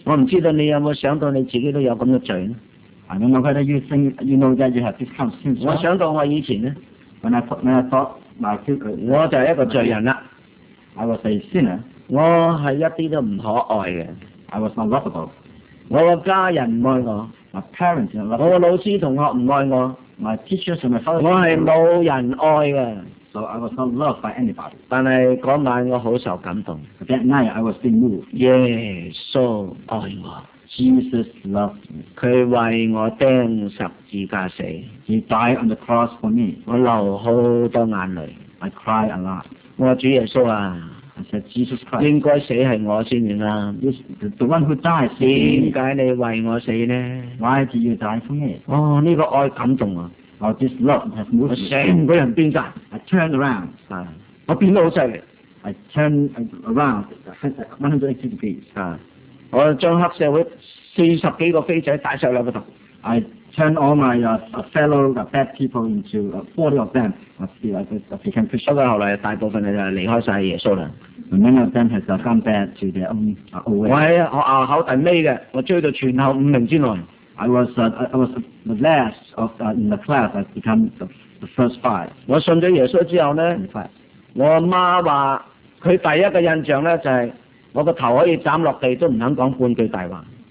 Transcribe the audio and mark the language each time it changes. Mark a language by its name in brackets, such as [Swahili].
[Cantonese] 我唔知道你有冇想到你自己都有咁嘅罪呢 [English] ？I don't know whether you know that you have this kind of sin. [Cantonese] 我想到我以前咧 [English] ，when I thought my [Cantonese] 我就係一個罪人啦。 [English] I was a sinner. [Cantonese] 我係一啲都唔可愛嘅。 [English] I was not lovable. [Cantonese] 我個家人唔愛我。 [English] My parents didn't love [Cantonese] me. 我個老師同學唔愛我。 [English] My teachers and my father. [Cantonese] 我係冇人愛嘅。 [English] So I was not loved by anybody. [Cantonese] 但係嗰晚我好受感動。 [English] That night I was being moved. [Cantonese] 耶穌愛我。 [English] Jesus loved me. [Cantonese] 佢為我釘十字架死。 [English] He died on the cross for me. [Cantonese] 我流好多眼淚。 [English] I cried a lot. [Cantonese] 我話主耶穌啊。 [English] I said Jesus Christ. [Cantonese] 應該死係我先啱。 [English] The one who died. [Cantonese] 點解你為我死呢 [English] ？Why did you die for me? [Cantonese] 哦，呢個愛感動啊！ [English] Oh, this love has moved me. [Cantonese] 我成個人變曬。 [English] I turned around. [Cantonese] 我變得好犀利。 [English] I turned around 180 degrees. [Cantonese] 我將黑社會40多個飛仔帶上兩個頭。 [English] I turned all my bad people into 40 of them. Became Christian. [Cantonese] 不過後來大部分就離開曬耶穌啦。 [English] Many of them has gone back to their own way. [Cantonese] 我喺學校考第尾嘅，我追到全校五名之內。 [English] I was the last of in the class. I become the first five. [Cantonese] 我信咗耶穌之後咧，我媽話佢第一個印象咧就係我個頭可以斬落地都唔肯講半句大話。